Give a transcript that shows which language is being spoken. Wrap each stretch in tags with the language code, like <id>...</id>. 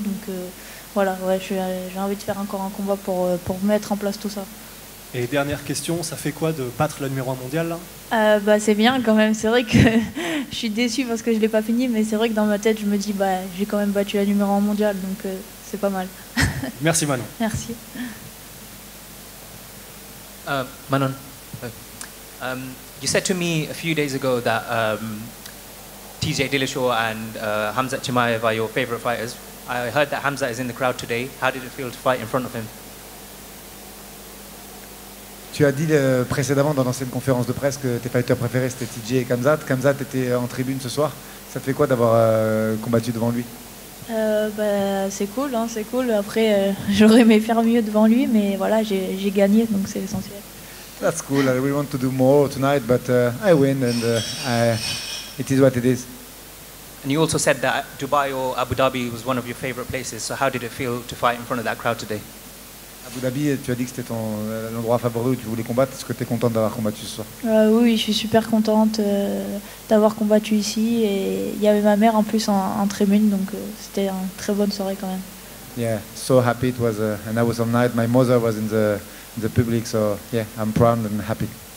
<fr>Donc voilà, ouais, j'ai envie de faire encore un combat pour mettre en place tout ça. Et dernière question, ça fait quoi de battre la numéro 1 mondiale là? C'est bien quand même, c'est vrai que je suis déçue parce que je ne l'ai pas fini, mais c'est vrai que dans ma tête je me dis j'ai quand même battu la numéro 1 mondiale, donc c'est pas mal. Merci Manon. Merci.</fr> <en>Manon, you said to me a few days ago that TJ Dillashaw and Khamzat Chimaev are your favorite fighters. I heard that Khamzat is in the crowd today. How did it feel to fight in front of him?</en> <fr>Tu as dit précédemment dans l'ancienne conférence de presse que tes fighters préférés c'était TJ et Khamzat. Khamzat était en tribune ce soir. Ça te fait quoi d'avoir combattu devant lui? C'est cool. Après, j'aurais aimé faire mieux devant lui, mais voilà, j'ai gagné, donc c'est l'essentiel.</fr> <en>That's cool. I really want to do more tonight, but I win and it is what it is. And you also said that Dubai or Abu Dhabi was one of your favorite places. So how did it feel to fight in front of that crowd today?</en> <fr>Abu Dhabi, tu as dit que c'était ton endroit favori où tu voulais combattre. Est-ce que tu es contente d'avoir combattu ce soir? Oui, je suis super contente d'avoir combattu ici. Et il y avait ma mère en plus en tribune, donc c'était une très bonne soirée quand même.</fr> <en>Yeah, so happy it was an awesome night. My mother was in the public, so yeah, I'm proud and happy.</en>